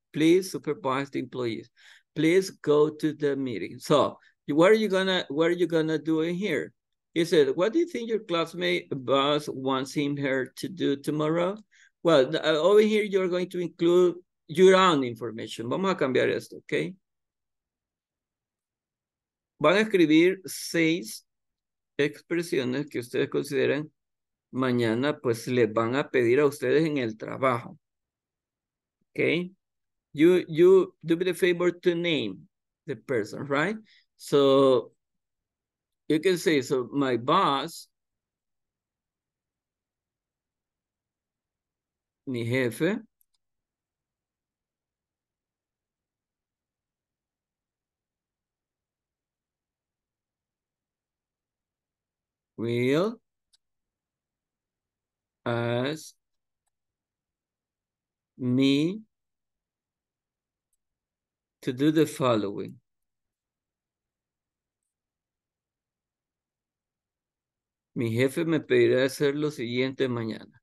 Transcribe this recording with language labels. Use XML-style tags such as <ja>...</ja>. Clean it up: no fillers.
<en>Please supervise the employees. Please go to the meeting. So what are you gonna do in here? He said, what do you think your classmate boss wants him here to do tomorrow? Well, over here, you're going to include your own information.</en> <es>Vamos a cambiar esto, okay? Van a escribir seis expresiones que ustedes consideran mañana pues les van a pedir a ustedes en el trabajo. Okay,</es> <en>you do me the favor to name the person, right? So you can say, so my boss,</en> <es>mi jefe,</es> <en>will ask me to do the following.</en> <es>Mi jefe me pedirá hacer lo siguiente mañana.</es>